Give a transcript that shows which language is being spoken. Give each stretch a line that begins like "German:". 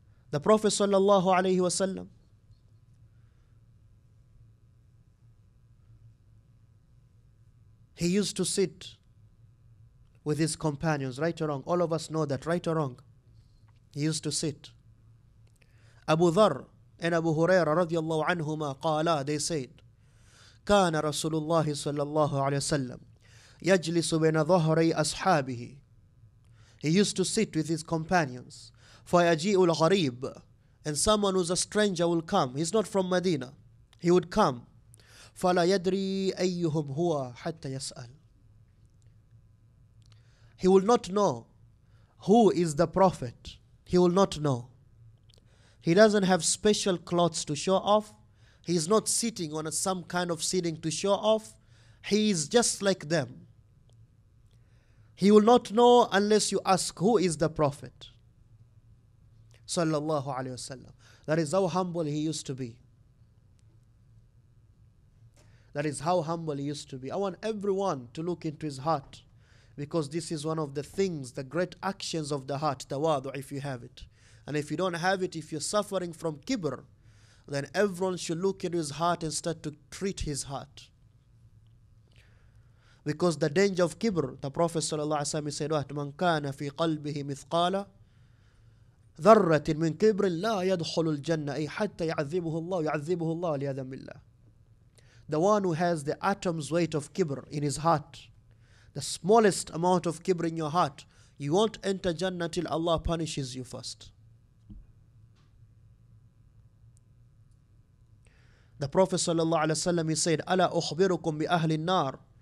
English: The Prophet sallallahu alayhi wa sallam, He used to sit with his companions, right or wrong. All of us know that, right or wrong. He used to sit. Abu Dharr and Abu Huraira radiallahu anhuma qala, they said, كان رسول الله صلى الله عليه وسلم يجلس بين ظهري أصحابه. He used to sit with his companions. فيجيء الغريب, and someone who's a stranger will come. He's not from Medina. He would come.
Arabic: فلا يدري أيهم هو حتى يسأل.
English: He will not know who is the prophet. He will not know. He doesn't have special clothes to show off. He's not sitting on some kind of seating to show off. He is just like them. He will not know unless you ask who is the prophet. Sallallahu alayhi wa sallam. That is how humble he used to be. That is how humble he used to be. I want everyone to look into his heart, because this is one of the things, the great actions of the heart, tawadu, if you have it. And if you don't have it, if you're suffering from kibr, then everyone should look into his heart and start to treat his heart. Because the danger of kibr, the Prophet ﷺ said, مَنْ كَانَ فِي قَلْبِهِ مِثْقَالَ ذَرَّةٍ مِنْ كِبْرٍ لَا يَدْخُلُ الْجَنَّةِ أَيْ حَتَّى يَعْذِبُهُ اللَّهُ لِيَذَا مِنْ اللَّهِ. The one who has the atom's weight of kibr in his heart, the smallest amount of kibr in your heart, you won't enter Jannah till Allah punishes you first. The Prophet sallallahu alaihi wasallam, he said, "Ala ukhbirukum bi ahli an-nar?"